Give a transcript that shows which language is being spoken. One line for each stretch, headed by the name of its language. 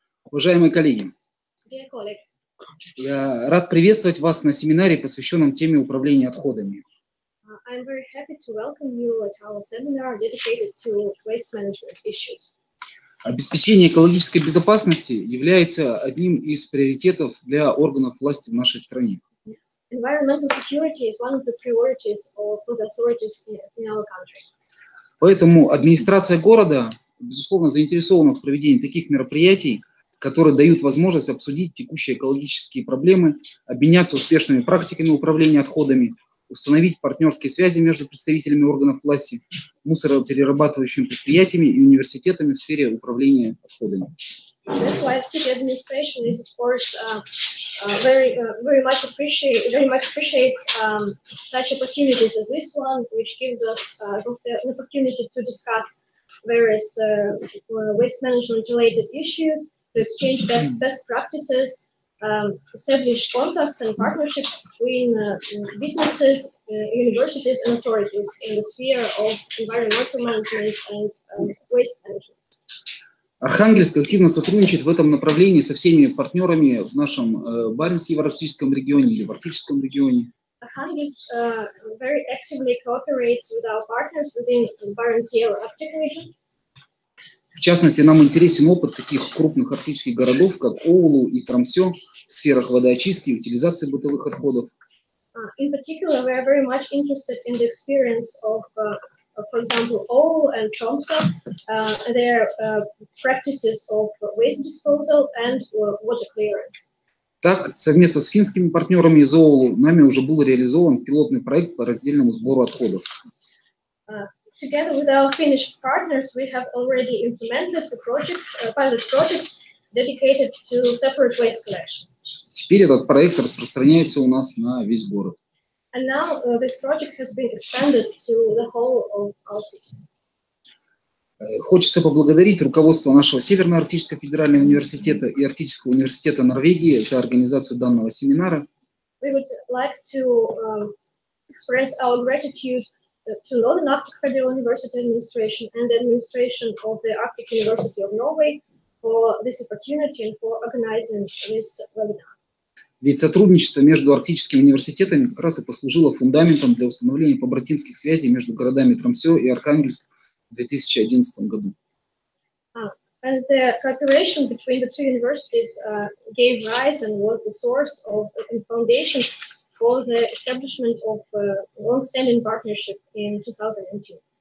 Russian: Уважаемые коллеги, я рад приветствовать вас на семинаре, посвященном теме управления отходами.
English: I'm very happy to welcome you at our seminar dedicated to waste management issues.
Russian: Обеспечение экологической безопасности является одним из приоритетов для органов власти в нашей стране.
English: Environmental security is one of the priorities for the authorities in our country.
Russian: Поэтому администрация города, безусловно, заинтересована в проведении таких мероприятий, которые дают возможность обсудить текущие экологические проблемы, обменяться успешными практиками управления отходами, установить партнерские связи между представителями органов власти, мусороперерабатывающими предприятиями и университетами в сфере управления отходами.
English: That's why city administration is, of course, very much appreciates such opportunities as this one, which gives us the opportunity to discuss various waste management related issues, to exchange best practices, establish contacts and partnerships between businesses, universities and authorities in the sphere of environmental management and waste management.
Russian: Архангельск активно сотрудничает в этом направлении со всеми партнерами в нашем Баренц-Евроарктическом регионе или в Арктическом регионе.
English: Архангельск very actively cooperates with our partners within Баренц-Евроарктик region.
Russian: В частности, нам интересен опыт таких крупных арктических городов, как Оулу и Трамсё в сферах водоочистки и утилизации бытовых отходов.
English: In particular, we are very much interested in the experience of for example, Oulu and Tromsø, their practices of waste disposal and water clearance.
Russian: Так, совместно с финскими партнерами из Оулу, нами уже был реализован пилотный проект по раздельному сбору отходов.
English: Together with our Finnish partners, we have already implemented a project, a pilot project dedicated to separate waste collection.
Russian: Теперь этот проект распространяется у нас на весь город.
English: And now this project has been expanded to the whole of our city.
Russian: Хочется поблагодарить руководство нашего Северно-Арктического федерального университета и Арктического университета Норвегии за организацию данного семинара.
English: We would like to express our gratitude to Northern Arctic Federal University Administration and the administration of the Arctic University of Norway for this opportunity and for organizing this webinar.
Russian: Ведь сотрудничество между арктическими университетами как раз и послужило фундаментом для установления побратимских связей между городами Тромсё и Архангельск в 2011 году.
English: And the cooperation between the two universities gave rise and was the source of and foundation for the establishment of a long-standing partnership in 2018.